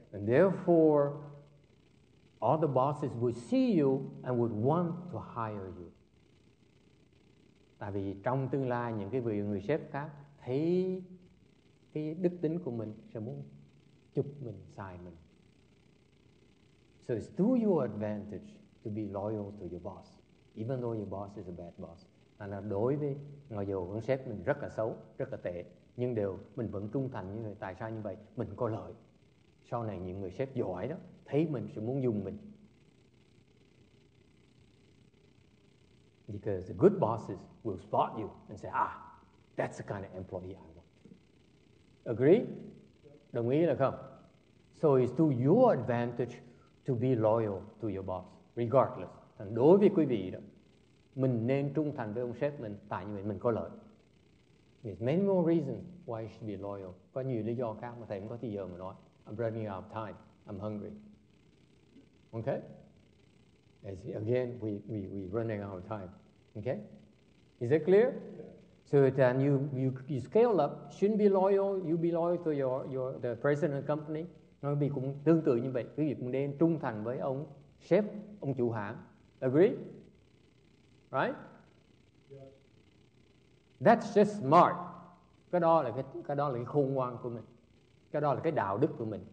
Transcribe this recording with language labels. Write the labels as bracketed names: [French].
[English] And therefore, all the bosses would see you and would want to hire you. [Vietnamese] Tại vì trong tương lai, những cái người sếp khác thấy cái đức tính của mình sẽ muốn chụp mình, xài mình. [English] So it's to your advantage to be loyal to your boss, even though your boss is a bad boss. [Vietnamese] Nên là đối với, mặc dù con sếp mình rất là xấu, rất là tệ, nhưng đều mình vẫn trung thành như người. Tại sao như vậy? Mình có lợi. Sau này những người sếp giỏi đó, thấy mình sẽ muốn dùng mình. [English] Because the good bosses will spot you and say, ah, that's the kind of employee I want. Agree? [Vietnamese] Đồng ý là không? [English] So it's to your advantage to be loyal to your boss, regardless. [Vietnamese] Thành đối với quý vị đó, mình nên trung thành với ông sếp mình tại vì mình có lợi. [English] There's many more reasons why you should be loyal. [Vietnamese] Có nhiều lý do khác mà thầy cũng có thời giờ mà nói. [English] I'm running out of time. I'm hungry. Okay? As again, we running out of time. Okay? Is that clear? So then you scale up. Shouldn't be loyal. You be loyal to the president of the company. [Vietnamese] Nó bị cũng tương tự như vậy. Quý vị cũng nên trung thành với ông sếp, ông chủ hãng. [English] Agree? Right? That's just smart. [Vietnamese] Cái đó là cái khôn ngoan của mình. Cái đó là cái đạo đức của mình.